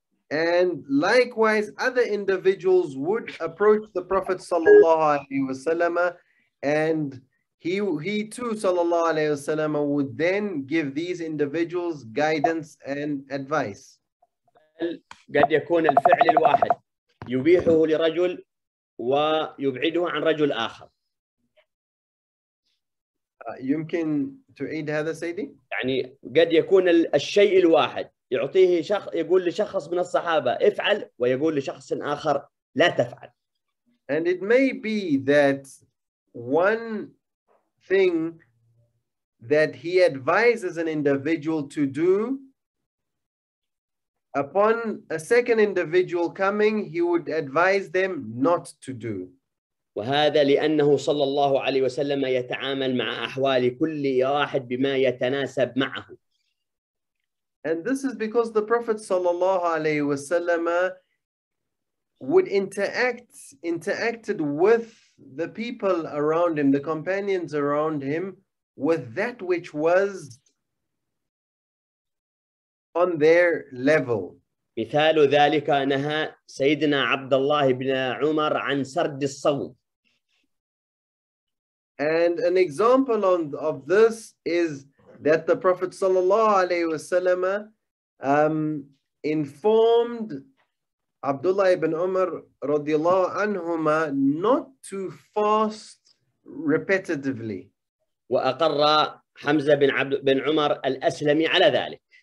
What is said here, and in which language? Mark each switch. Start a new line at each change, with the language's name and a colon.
English: And likewise, other individuals would approach the Prophet sallallahu alayhi wa sallam, and he too sallallahu alayhi wa sallam would then give these individuals guidance and advice.
Arabic: قد يكون الفعل الواحد يبيحه لرجل ويبعده عن رجل آخر. يمكن تعيد هذا سيدي؟ يعني قد يكون الشيء الواحد يعطيه شخص يقول لشخص من الصحابة افعل ويقول لشخص آخر لا تفعل.
English: And it may be that one thing that he advises an individual to do, upon a second individual coming, he would advise them not to do.
Arabic: وهذا لأنه صلى الله عليه وسلم يتعامل مع أحوال كل واحد بما يتناسب معه.
English: And this is because the Prophet صلى الله عليه وسلم would interacted with the people around him, the companions around him, with that which was on their level.
Arabic: مثال ذلك نهى سيدنا عبد الله بن عمر عن سرد الصوم.
English: And an example of this is that the Prophet صلى الله عليه وسلم informed Abdullah ibn Umar رضي الله عنهما not to fast repetitively.
Arabic: وأقر حمزة بن عمر الأسلمي على ذلك.